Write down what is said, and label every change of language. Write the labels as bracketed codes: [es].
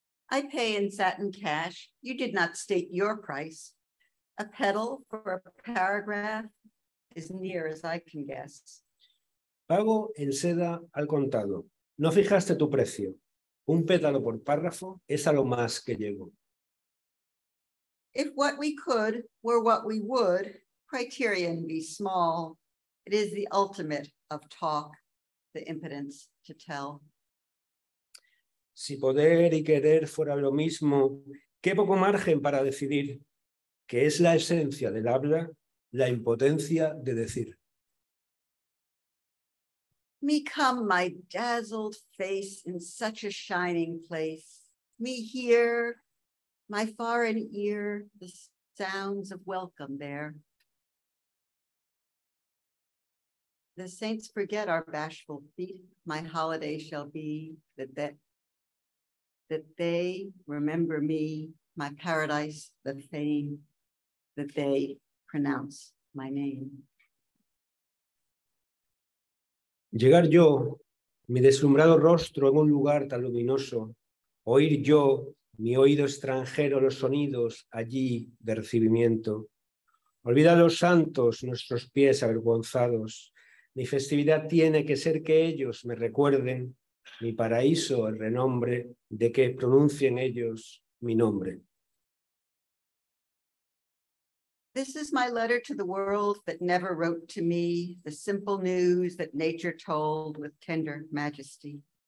[en] I pay in satin cash. You did not state your price. A petal for a paragraph is near as I can guess. [es] Pago en seda al contado. No fijaste tu precio. Un pétalo por párrafo es a lo más que llego. [en] If what we could were what we would, criterion be small. It is the ultimate of talk, the impotence to tell. [es] Si poder y querer fuera lo mismo, qué poco margen para decidir, que es la esencia del habla, la impotencia de decir. [en] Me come my dazzled face in such a shining place. Me here, my foreign ear, the sounds of welcome there. The saints forget our bashful feet, my holiday shall be that they remember me, my paradise, the fame, that they pronounce my name. [es] Llegar yo, mi deslumbrado rostro en un lugar tan luminoso, oír yo, mi oído extranjero, los sonidos allí de recibimiento. Olvida los santos, nuestros pies avergonzados, mi festividad tiene que ser que ellos me recuerden, mi paraíso, el renombre de que pronuncien ellos mi nombre. [en] This is my letter to the world that never wrote to me, the simple news that nature told with tender majesty.